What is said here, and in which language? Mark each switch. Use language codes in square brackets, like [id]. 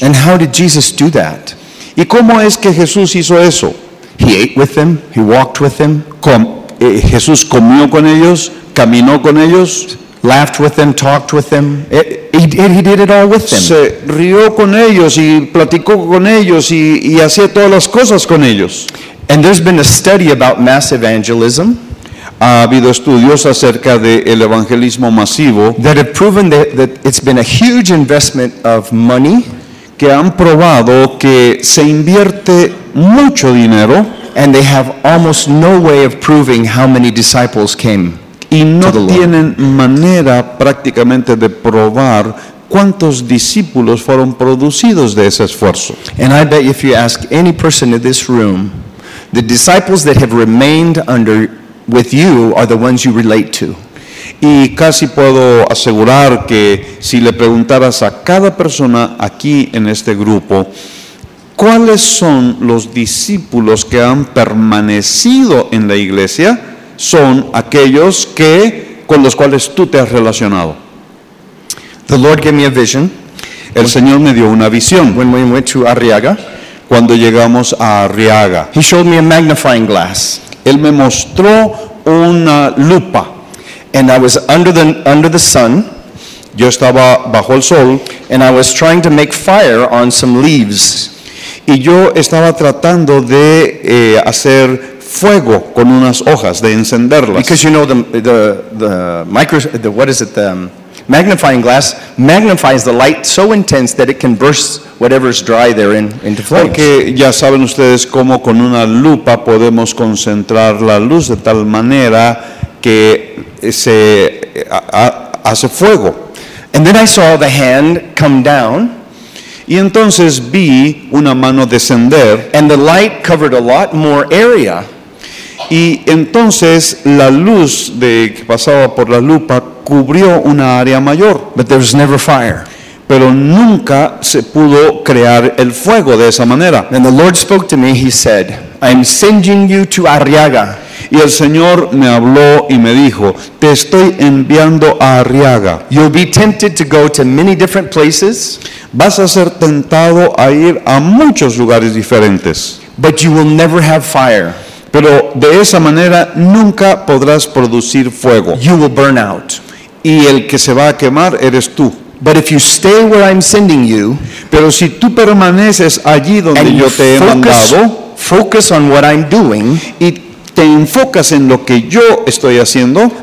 [en] And how did Jesus do that? [es] ¿Y cómo es que Jesús hizo eso? [en] He ate with them, he walked with them. [es] Jesús comió con ellos, caminó con ellos, [en] laughed with them, talked with them. He did it all with them. [es] Se rió con ellos y platicó con ellos y hacía todas las cosas con ellos. [en] And there's been a study about mass evangelism. [es] Ha habido estudios acerca del evangelismo masivo [en] that have proven that it's been a huge investment of money, [es] que han probado que se invierte mucho dinero, [en] and they have almost no way of proving how many disciples came [es] y no [en] to the Lord. [es] Tienen manera prácticamente de probar cuántos discípulos fueron producidos de ese esfuerzo. [en] And I bet if you ask any person in this room, the disciples that have remained under with you are the ones you relate to. [es] Y casi puedo asegurar que si le preguntaras a cada persona aquí en este grupo, ¿cuáles son los discípulos que han permanecido en la iglesia? Son aquellos que, con los cuales tú te has relacionado. [en] The Lord gave me a vision. [es] El Señor me dio una visión. [en] When we went to Arriaga. [es] Cuando llegamos a Arriaga. [en] He showed me a magnifying glass. [es] Él me mostró una lupa. [en] And I was under the sun. [es] Yo estaba bajo el sol. [en] And I was trying to make fire on some leaves. [es] Y yo estaba tratando de hacer fuego con unas hojas, de encenderlas. [en] Because you know the magnifying glass magnifies the light so intense that it can burst whatever's dry there into flames. [es] Porque ya saben ustedes cómo con una lupa podemos concentrar la luz de tal manera que se hace fuego. [en] And then I saw the hand come down. [es] Y entonces vi una mano descender. [en] And the light covered a lot more area. [es] Y entonces la luz de que pasaba por la lupa cubrió una área mayor. [en] But there was never fire. [es] Pero nunca se pudo crear el fuego de esa manera. [en] And the Lord spoke to me, he said, I'm sending you to Arriaga. [es] Y el Señor me habló y me dijo, te estoy enviando a Arriaga. [en] You'll be tempted to go to many different places. [es] Vas a ser tentado a ir a muchos lugares diferentes. [en] But you will never have fire. [es] Pero de esa manera nunca podrás producir fuego. [en] You will burn out. [es] Y el que se va a quemar eres tú. [en] But if you stay where I'm sending you, [es] pero si tú permaneces allí donde yo te he mandado, [en] focus on what I'm doing, [es] y te enfocas en lo que yo estoy haciendo,